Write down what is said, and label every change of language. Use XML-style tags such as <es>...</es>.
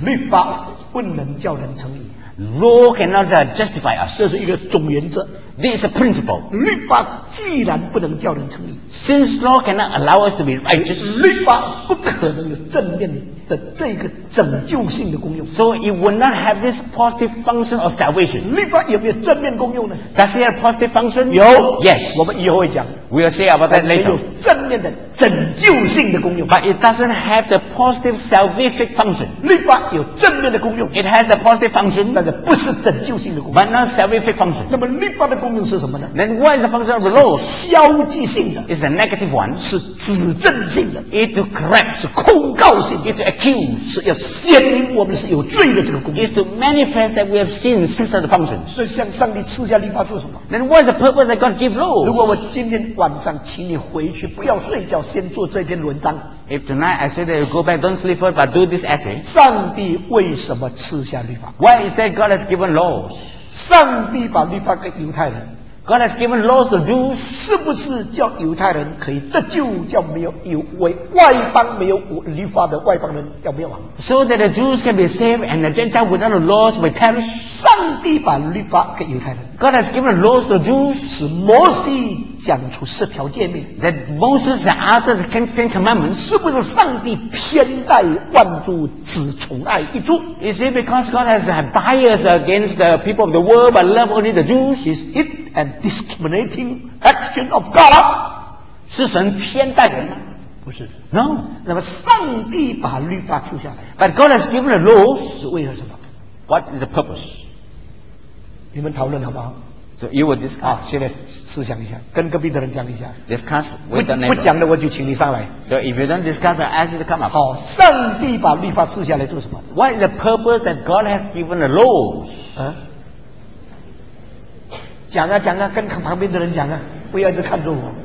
<zh>律法不能叫人称义。</zh> <en>Law cannot justify us.</en> <zh>这是一个总原则。</zh> <en>This is a principle.</en> <zh>律法既然不能叫人称义。</zh> <en>Since law cannot allow us to be righteous.</en> <zh>律法不可能有正面的这个拯救性的功用。</zh> <en>So it will not have this positive function of salvation.</en> <zh>律法有没有正面功用呢？</zh> <en>Does it have a positive function?</en> <zh>有。</zh> <en>Yes.</en> <zh>我们以后会讲。</zh> <en>We'll say about that later.</en> <zh>有正面的拯救性的功用。</zh> <en>But it doesn't have the positive salvific function.</en> <zh>律法有正面的功用。</zh> <en>It has the positive function.</en> <zh>但是不是拯救性的功用。</zh> <en>But not salvific function.</en> <zh>那么律法的功用是什么呢？</zh> <en>Then what is the function of the law?</en> <zh>是消极性的。</zh> <en>It's a negative one.</en> <zh>是指证性的。</zh> <en>It to correct.</en> <zh>是控告性的。</zh> <en>It to accuse.</en> <zh>是要显明我们是有罪的这个功用。</zh> <en>It to manifest that we have sinned.</en> <zh>是这样的</zh> <en>function.</en> <zh>是向上帝赐下律法做什么？</zh> <en>Then what is the purpose that God give law?</en> <zh>如果我今天晚上请你回去不要睡觉，先做这篇文章。</zh> <en>If tonight I say that you go back, don't sleep first, but do this essay.</en> <zh>上帝为什么赐下律法？</zh> <en>Why is that God has given laws?</en> <zh>上帝把律法给犹太人。</zh> <en>God has given laws to Jews.</en> <zh>是不是叫犹太人可以得救，叫没有有为外邦没有律法的外邦人要灭亡？</zh> <en>So that the Jews can be saved and the Gentiles without the laws will perish.</en> <zh>上帝把律法给犹太人。</zh> <en>God has given laws to Jews.</en> <zh>使摩西讲出十条诫命。</zh> <en>That Moses uttered the Ten Commandments.</en> <zh>是不是上帝偏待万族，只宠爱一族？</zh> <en>Is it because God has a bias against the people of the world but love only the Jews? Is it a discriminating action of God?</en> <zh>是神偏待人吗？不是。</zh> <en>No.</en> <zh>那么上帝把律法赐下来。</zh> <en>But God has given the laws.</en> <zh>是为了什么？</zh> <en>What is the purpose?</en> <zh>你们讨论好不好？</zh> <en>So you will discuss.</en> <zh>现在思想一下，跟隔壁的人讲一下。</zh> <en>Discuss with the neighbor.</en> <zh>不讲的我就请你上来。</zh> <en>So if you don't discuss, I ask you to come up.</en> <zh>好，上帝把律法赐下来做什么？</zh> <en>What is the purpose that God has given the laws?</en> <zh>讲啊讲啊，跟旁边的人讲啊，不要一直看着我。</zh>